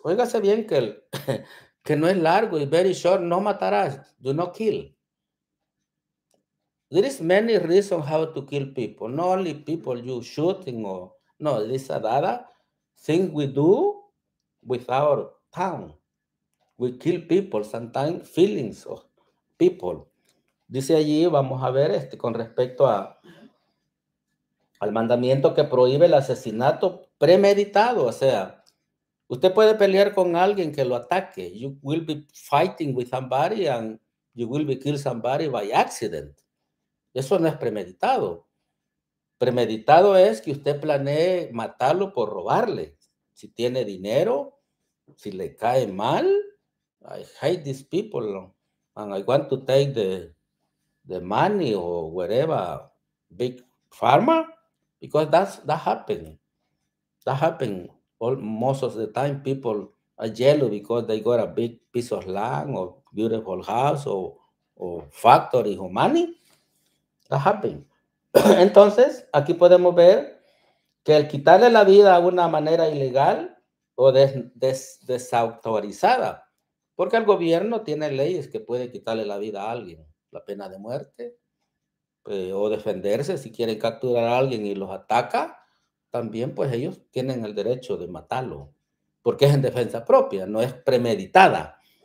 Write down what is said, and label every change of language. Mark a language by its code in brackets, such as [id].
[es] Óigase bien que, que no es largo y [en] very short. [es] No matarás. [en] Do not kill. There is many reasons how to kill people. Not only people you shooting or no, these are other things we do with our tongue. We kill people, sometimes feelings of people. [es] Dice allí, vamos a ver, con respecto al mandamiento que prohíbe el asesinato premeditado. O sea, usted puede pelear con alguien que lo ataque. [en] You will be fighting with somebody and you will be killed somebody by accident. [es] Eso no es premeditado. Premeditado es que usted planee matarlo por robarle. Si tiene dinero, si le cae mal, [en] I hate these people and I want to take the money or whatever, big pharma, because that happens. That happens most of the time. People are jealous because they got a big piece of land or beautiful house or factory or money. That happened. [es] Entonces, aquí podemos ver que el quitarle la vida de una manera ilegal o desautorizada, porque el gobierno tiene leyes que puede quitarle la vida a alguien, la pena de muerte, o defenderse si quiere capturar a alguien y los ataca, también pues ellos tienen el derecho de matarlo, porque es en defensa propia, no es premeditada.